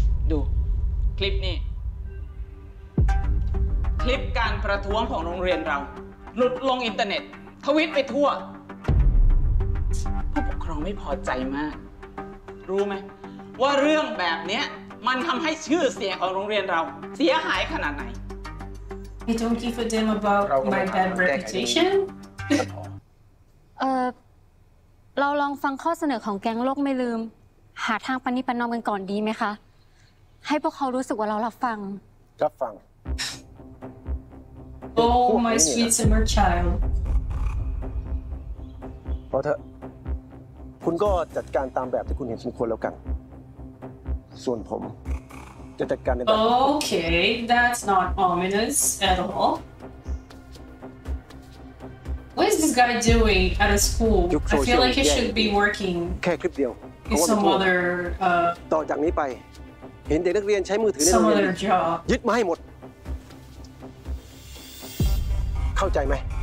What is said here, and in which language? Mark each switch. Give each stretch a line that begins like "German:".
Thai: ดูคลิปนี้คลิปการประท้วงของโรงเรียนเราหลุดลงอินเทอร์เน็ตทวิตไปทั่วผู้ปกครองไม่พอใจมากรู้ไหมว่าเรื่องแบบนี้มันทำให้ชื่อเสียงของโรงเรียนเราเสียหายขนาดไหน
English: I don't give a damn about my bad reputation
Thai: เราลองฟังข้อเสนอของแก๊งโลกไม่ลืมหาทางปณิปนอมกันก่อนดีไหมคะให้พวกเขารู้สึกว่าเรารับฟัง รับฟัง
English: Oh my sweet summer child
Thai: เถอะคุณก็จัดการตามแบบที่คุณเห็นสมควรแล้วกันส่วนผมจะจัดการในแบบ
English: โอเค that's not ominous at all what is this guy doing at a school I feel like he should be working
Thai: แค่คลิปเดียว
English: in some other
Thai: ต่อจากนี้ไปเห็นเด็กนักเรียนใช้มือถือในโรงเรียนยึดมาให้หมดเข้าใจไหม